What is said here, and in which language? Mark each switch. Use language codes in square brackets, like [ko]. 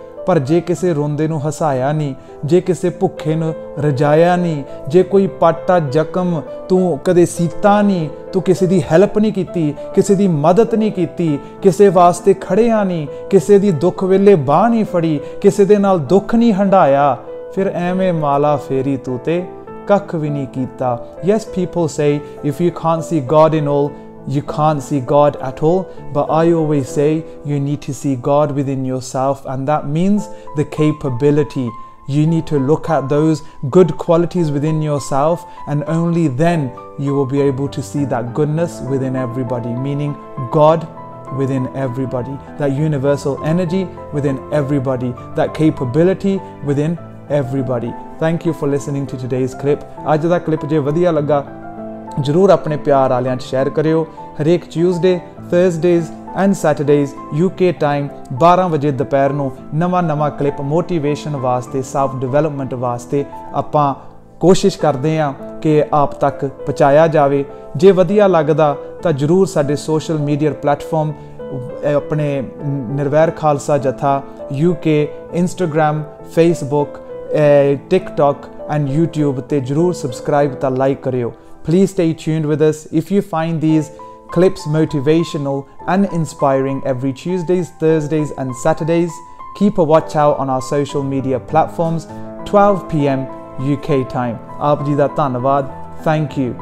[pa] ਪਰ ਜੇ ਕਿਸੇ ਰੋਂਦੇ ਨੂੰ ਹਸਾਇਆ ਨਹੀਂ, ਜੇ ਕਿਸੇ ਭੁੱਖੇ ਨੂੰ ਰਜਾਇਆ ਨਹੀਂ, ਜੇ ਕੋਈ ਪਾਟਾ ਜ਼ਖਮ ਤੂੰ ਕਦੇ ਸੀਤਾ ਨਹੀਂ, ਤੂੰ ਕਿਸੇ ਦੀ ਹੈਲਪ ਨਹੀਂ ਕੀਤੀ, ਕਿਸੇ ਦੀ ਮਦਦ ਨਹੀਂ ਕੀਤੀ, ਕਿਸੇ ਵਾਸਤੇ ਖੜਿਆ ਨਹੀਂ, ਕਿਸੇ ਦੀ ਦੁੱਖ ਵੇਲੇ ਬਾਹ ਨਹੀਂ ਫੜੀ, ਕਿਸੇ ਦੇ ਨਾਲ ਦੁੱਖ ਨਹੀਂ ਹੰਢਾਇਆ, ਫਿਰ ਐਵੇਂ ਮਾਲਾ ਫੇਰੀ ਤੂੰ ਤੇ ਕੱਖ ਵੀ ਨਹੀਂ ਕੀਤਾ. [en] Yes, people say if you can't see God in all, you can't see God at all, but I always say you need to see God within yourself, and that means the capability. You need to look at those good qualities within yourself, and only then you will be able to see that goodness within everybody, meaning God within everybody, that universal energy within everybody, that capability within everybody. Thank you for listening to today's clip. [pa] Aaj da clip je vadhiya laga, ਜ਼ਰੂਰ ਆਪਣੇ ਪਿਆਰ ਵਾਲਿਆਂ 'ਚ share ਕਰਿਓ. ਹਰੇਕ [en] Tuesday, Thursdays and Saturdays UK time [pa] 12 ਵਜੇ ਦੁਪਹਿਰ ਨੂੰ ਨਵਾਂ ਨਵਾਂ ਕਲਿੱਪ ਮੋਟੀਵੇਸ਼ਨ ਵਾਸਤੇ, ਸੈਲਫ ਡਿਵੈਲਪਮੈਂਟ ਵਾਸਤੇ ਆਪਾਂ ਕੋਸ਼ਿਸ਼ ਕਰਦੇ ਹਾਂ ਕਿ ਆਪ ਤੱਕ ਪਹੁੰਚਾਇਆ ਜਾਵੇ. ਜੇ ਵਧੀਆ ਲੱਗਦਾ ਤਾਂ ਜ਼ਰੂਰ ਸਾਡੇ ਸੋਸ਼ਲ ਮੀਡੀਆ ਪਲੈਟਫਾਰਮ, ਆਪਣੇ ਨਿਰਵੈਰ ਖਾਲਸਾ ਜਥਾ UK Instagram, Facebook, TikTok and YouTube 'ਤੇ ਜ਼ਰੂਰ ਸਬਸਕ੍ਰਾਈਬ ਤਾਂ ਲਾਈਕ ਕਰਿਓ. [en] Please stay tuned with us. If you find these clips motivational and inspiring, every Tuesdays, Thursdays and Saturdays, keep a watch out on our social media platforms, 12 PM UK time. [pa] Aap ji da dhanwad, [en] thank you.